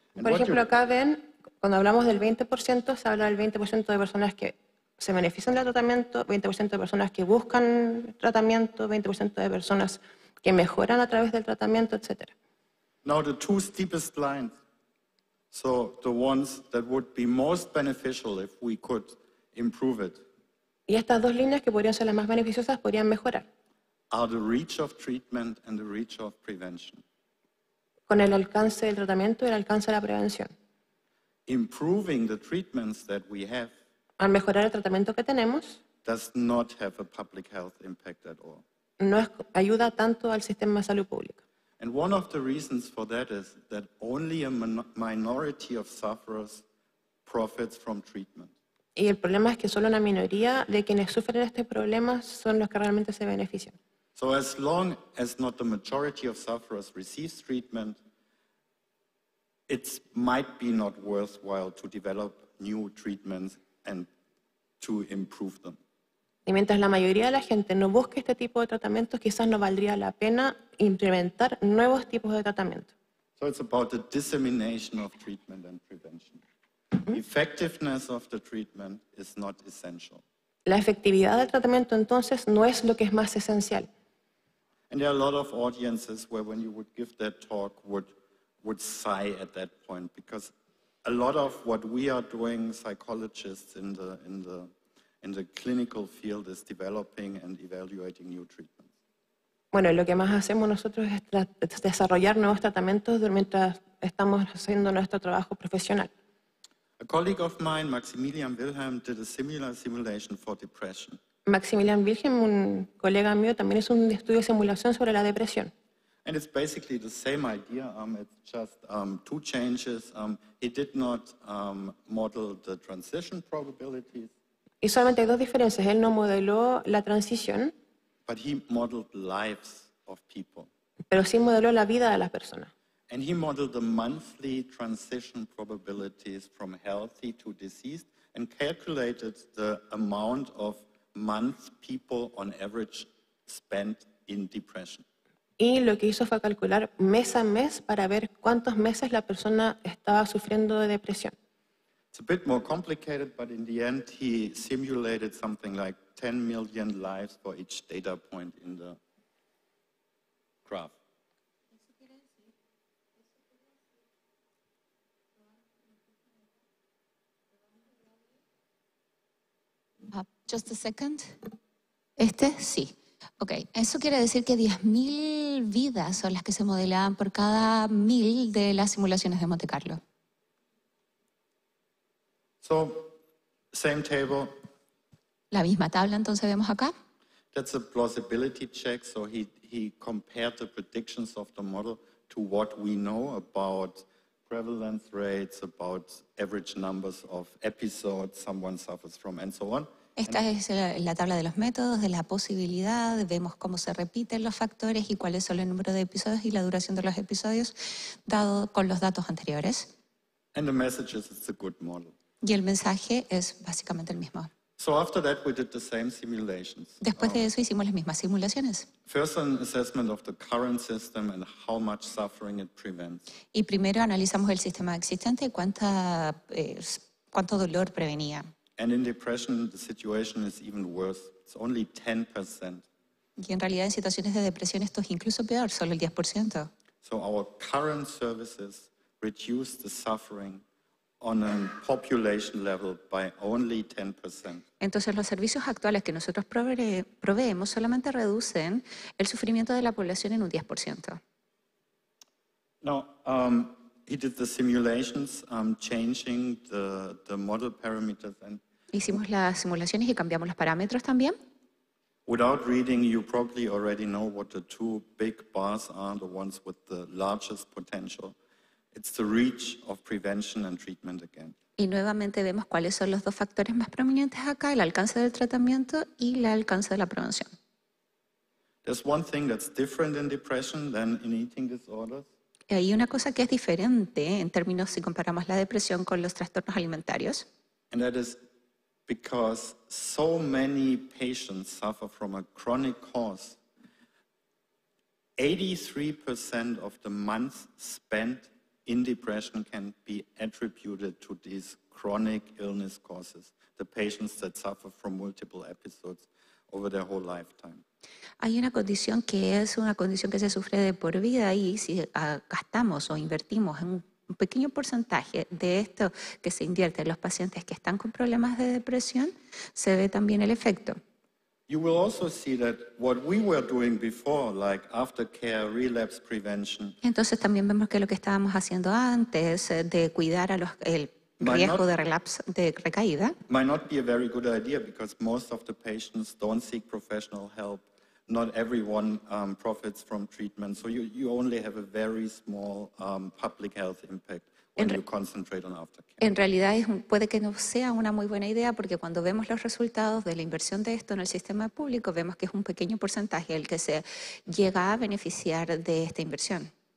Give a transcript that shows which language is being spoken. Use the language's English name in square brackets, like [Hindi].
[Spanish] And por ejemplo, acá ven, cuando hablamos del 20%, se habla del 20% de personas que se benefician del tratamiento, 20% de personas que buscan tratamiento, 20% de personas que mejoran a través del tratamiento, etc. [English] Now the two steepest lines. So the ones that would be most beneficial if we could improve it. [Spanish] Y estas dos líneas que podrían ser las más beneficiosas podrían mejorar. [English] Are the reach of treatment and the reach of prevention. [Spanish] Con el alcance del tratamiento y el alcance de la prevención. [English] Improving the treatments that we have. [Spanish] Al mejorar el tratamiento que tenemos. [English] Does not have a public health impact at all. [Spanish] No es, ayuda tanto al sistema de salud pública. [English] And one of the reasons for that is that only a minority of sufferers profits from treatment. [Spanish] Y el problema es que solo una minoría de quienes sufren este problema son los que realmente se benefician. [English] So as long as not the majority of sufferers receives treatment, it might be not worthwhile to develop new treatments and to improve them. [Spanish] Y mientras la mayoría de la gente no busque este tipo de tratamientos, quizás no valdría la pena implementar nuevos tipos de tratamiento. [English] So it's about the dissemination of treatment and prevention. Mm-hmm. Effectiveness of the treatment is not essential. [Spanish] La efectividad del tratamiento entonces no es lo que es más esencial. [English] And there are a lot of audiences where when you would give that talk would sigh at that point, because a lot of what we are doing, psychologists in the clinical field, is developing and evaluating new treatments. [Spanish] Bueno, lo que más hacemos nosotros es desarrollar nuevos tratamientos mientras estamos haciendo nuestro trabajo profesional. [English] A colleague of mine, Maximilian Wilhelm, did a similar simulation for depression. [Spanish] Maximilian Wilhelm, un colega mío, también hizo un estudio de simulación sobre la depresión. [English] And it's basically the same idea. It's just two changes. He did not model the transition probabilities. [Spanish] Y solamente hay dos diferencias. Él no modeló la transición. [English] But he modeled lives of people. [Spanish] Pero sí modeló la vida de las personas. [English] And he modeled the monthly transition probabilities from healthy to diseased and calculated the amount of months people on average spent in depression. [Spanish] Y lo que hizo fue calcular mes a mes para ver cuántos meses la persona estaba sufriendo de depresión. [English] It's a bit more complicated, but in the end he simulated something like 10 million lives for each data point in the graph. Just a second. [Spanish] Este, sí. Ok, eso quiere decir que 10.000 vidas son las que se modelaban por cada 1.000 de las simulaciones de Monte Carlo. [English] So, same table. [Spanish] La misma tabla entonces vemos acá. [English] That's a plausibility check, so he compared the predictions of the model to what we know about prevalence rates, about average numbers of episodes someone suffers from, and so on. [Spanish] Esta es la tabla de los métodos, de la posibilidad, vemos cómo se repiten los factores y cuáles son el número de episodios y la duración de los episodios dado con los datos anteriores. [English] And the message is it's a good model. [Spanish] Y el mensaje es básicamente el mismo. [English] So after that we did the same simulations. [Spanish] Después de eso hicimos las mismas simulaciones. [English] First an assessment of the current system and how much suffering it prevents. [Spanish] Y primero analizamos el sistema existente y cuánto dolor prevenía. [English] And in depression, the situation is even worse. It's only 10%. [Spanish] Y en realidad, en situaciones de depresión, esto es incluso peor, solo el 10%. [English] So our current services reduce the suffering on a population level by only 10%. [Spanish] Entonces los servicios actuales que nosotros proveemos solamente reducen el sufrimiento de la población en un 10%. [English] Now, he did the simulations, changing the model parameters. And [Spanish] hicimos las simulaciones y cambiamos los parámetros también. [English] Without reading, you probably already know what the two big bars are, the ones with the largest potential. It's the reach of prevention and treatment again. [Spanish] Y nuevamente vemos cuáles son los dos factores más prominentes acá, el alcance del tratamiento y el alcance de la prevención. [English] There's one thing that's different in depression than in eating disorders. [Spanish] Hay una cosa que es diferente en términos si comparamos la depresión con los trastornos alimentarios. [English] And that is because so many patients suffer from a chronic cause. 83% of the months spent in depression can be attributed to these chronic illness causes, the patients that suffer from multiple episodes over their whole lifetime. [Spanish] Hay una condición que es una condición que se sufre de por vida y si gastamos o invertimos en un pequeño porcentaje de esto que se invierte en los pacientes que están con problemas de depresión, se ve también el efecto. [English] You will also see that what we were doing before, like aftercare, relapse prevention. [Spanish] Entonces también vemos que lo que estábamos haciendo antes de cuidar a los el riesgo de relapse, de recaída. [English] Might not be a very good idea because most of the patients don't seek professional help. Not everyone profits from treatment, so you only have a very small public health impact when you concentrate on aftercare. [Spanish] En realidad puede que no sea una muy buena idea porque cuando vemos los resultados de la inversión de esto en el sistema público vemos que es un pequeño porcentaje el que se llega a beneficiar de esta inversión.